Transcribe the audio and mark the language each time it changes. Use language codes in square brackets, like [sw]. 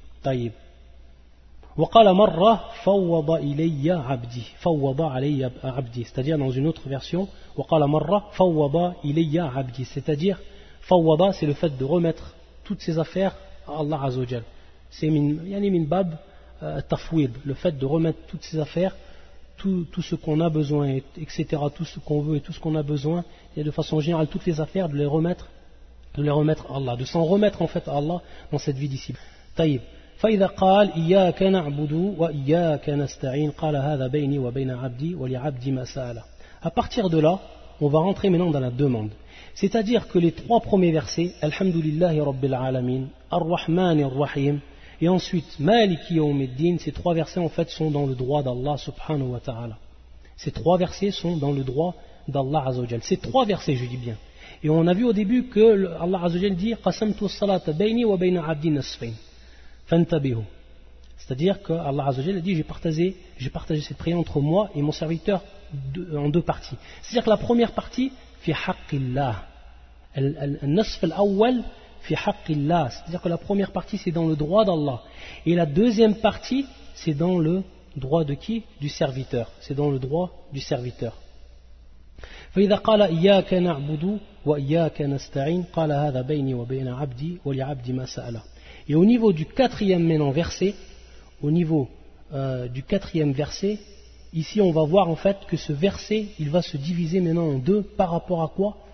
[ar] طيب وقال مرة فوض إلي عبدي فوض علي عبدي, [fr] c'est-à-dire dans une autre version [ar] وقال مرة فوض إلي عبدي, [fr] c'est-à-dire فوض, c'est le fait de remettre toutes ses affaires à Allah عز وجل, c'est [ar] min bab tafwid, [fr] le fait de remettre toutes ses affaires, tout ce qu'on a besoin, etc., tout ce qu'on veut et tout ce qu'on a besoin, et de façon générale toutes les affaires, de les remettre à Allah, de s'en remettre en fait à Allah dans cette vie d'ici. [ar] طيب فإذا قال إياك نعبد وإياك نستعين قال هذا بيني وبين عبدي ولعبدي ما سأل. [fr] À partir de là, on va rentrer maintenant dans la demande. C'est-à-dire que les trois premiers versets, Alhamdulillahi Rabbil Alamin, Ar-Rahman Ar-Rahim, et ensuite Maliki Yawm al-Din, ces trois versets en fait sont dans le droit d'Allah Subhanahu wa Ta'ala. Ces trois versets sont dans le droit d'Allah Azza wa Jalla. Ces trois versets, je dis bien. Et on a vu au début que Allah Azza wa Jalla dit [ar] qasamtu as-salata bayni wa bayna 'abdi nisfayn [fr] fantabihu. C'est-à-dire que Allah Azza wa Jalla dit j'ai partagé cette prière entre moi et mon serviteur en deux parties. C'est-à-dire que la première partie [ar] fi haqqillah. Al-nisf al-awwal fi haqqillah, [fr] c'est-à-dire que la première partie c'est dans le droit d'Allah et la deuxième partie c'est dans le droit de qui? Du serviteur. C'est dans le droit du serviteur. [ar] فإذا قال إياك نعبد وإياك نستعين قال هذا بيني وبين عبدي ولعبدي ما سأله. [fr] Et au niveau du quatrième maintenant verset, au niveau du quatrième verset, ici on va voir en fait que ce verset il va se diviser maintenant en deux par rapport à quoi?